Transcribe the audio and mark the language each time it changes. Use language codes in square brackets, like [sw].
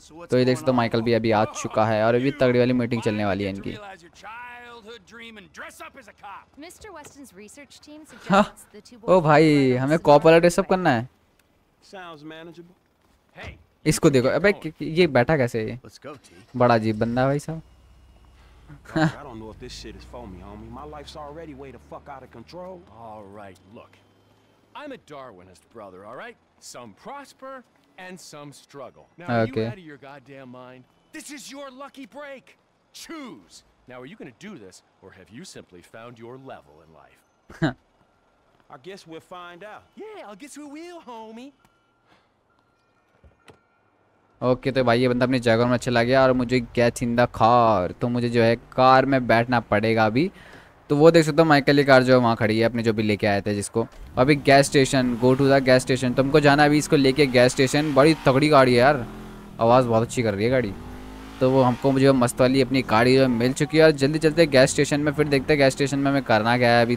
[hi] तो ये देख सकते हो माइकल भी अभी आ चुका है, और अभी तगड़ी वाली मीटिंग चलने वाली है इनकी। ओ भाई हमें कॉप वाला ड्रेसअप करना है, इसको देखो अबे ये बैठा कैसे, ये बड़ा अजीब बंदा है भाई साहब। [en] I don't know if this shit is for me, homie. My life's already way the fuck out of control. All right, look. I'm a Darwinist brother, all right? Some prosper and some struggle. Now, are okay. you out of your goddamn mind? This is your lucky break. Choose. Now, are you gonna do this, or have you simply found your level in life? I guess we'll find out. Yeah, I guess we will, homie. [hi] Okay तो भाई ये बंदा अपनी जगह में चला गया, और मुझे [en] get in the car, [hi] तो मुझे जो है कार में बैठना पड़ेगा अभी। तो वो देख सकते हो माइकल की कार जो है वहाँ खड़ी है अपने जो भी लेके आए थे जिसको। अभी gas station, [en] go to the gas station, [hi] तुमको जाना अभी इसको लेके गैस स्टेशन। बड़ी तगड़ी गाड़ी है यार, आवाज़ बहुत अच्छी कर रही है गाड़ी। तो वो हमको मुझे मस्त वाली अपनी गाड़ी जो मिल चुकी है, और जल्दी चलते हैं गैस स्टेशन में, फिर देखते हैं गैस स्टेशन में हमें करना क्या है अभी।